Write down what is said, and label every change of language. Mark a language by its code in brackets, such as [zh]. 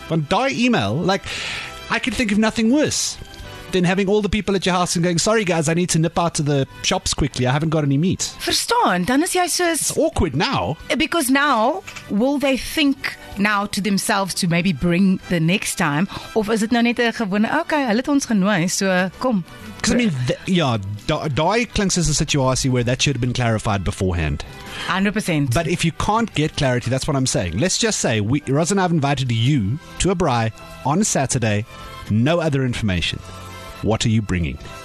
[af] Want daai email, [en] like, I can think of nothing worse than having all the people at your house and going, sorry guys, I need to nip out to the shops quickly. I haven't got any meat. [af] Verstaan, dan is jy soos, [en] it's awkward now. Because now, will they think now to themselves to maybe bring the next time? [af] Of is it nou net 'n gewone, okay, hulle het ons genooi, so kom. [en] Because I mean, [af] daai klinks [en] as a situasie where that should have been clarified beforehand. 100%. But if you can't get clarity, that's what I'm saying. Let's just say, Roz and I have invited you to a braai on Saturday. No other information. What are you bringing?